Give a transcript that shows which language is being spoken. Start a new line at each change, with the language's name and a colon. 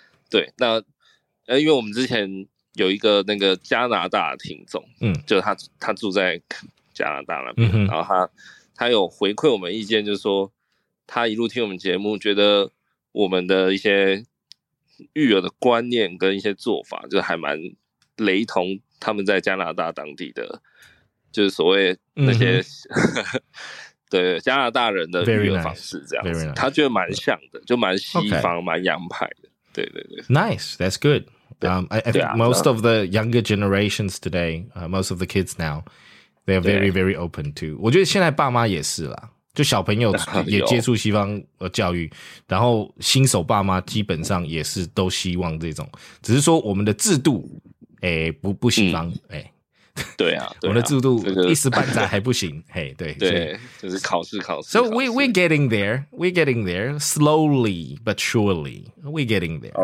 Chinese: 对，那因为我们之前有一个那个加拿大的听众，就是他住在加拿大那边，然后他有回馈我们意见，就是说他一路听我们节目，觉得我们的一些育儿的观念跟一些做法，就还蛮雷同他们在加拿大当地的，就是所谓那些对加拿大人的育儿方式这样子，
English: very nice, very nice.
Chinese: 他觉得蛮像的，就蛮西方，蛮洋派的。对对对
English: ，Nice, that's good. I think most of the younger generations today, most of the kids now, they are very, very open to.
Chinese: 我觉得现在爸妈也是啦，就小朋友也接触西方教育，然后新手爸妈基本上也是都希望这种，只是说我们的制度，不西方，对啊，我们的制度一时半载还不行，嘿，对，对，就是考试考试。
English: So we're getting there, we're getting there, slowly but surely, we're getting there.